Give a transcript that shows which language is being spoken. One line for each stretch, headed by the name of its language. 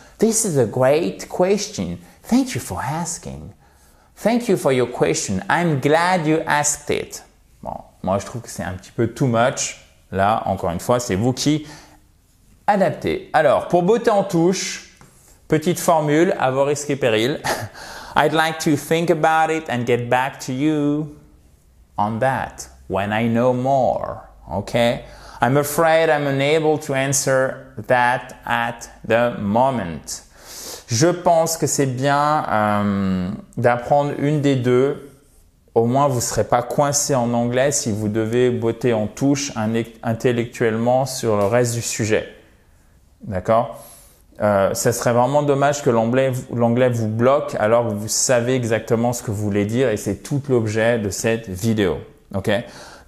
English: This is a great question. Thank you for asking. Thank you for your question. I'm glad you asked it.
French: Bon, moi je trouve que c'est un petit peu too much. Là, encore une fois, c'est vous qui adaptez. Alors, pour beauté en touche, petite formule à vos risques et périls.
English: I'd like to think about it and get back to you on that when I know more. Okay? I'm afraid I'm unable to answer that at the moment.
French: Je pense que c'est bien d'apprendre une des deux. Au moins, vous ne serez pas coincé en anglais si vous devez botter en touche intellectuellement sur le reste du sujet. D'accord ? Ça serait vraiment dommage que l'anglais vous bloque alors que vous savez exactement ce que vous voulez dire et c'est tout l'objet de cette vidéo. Ok ?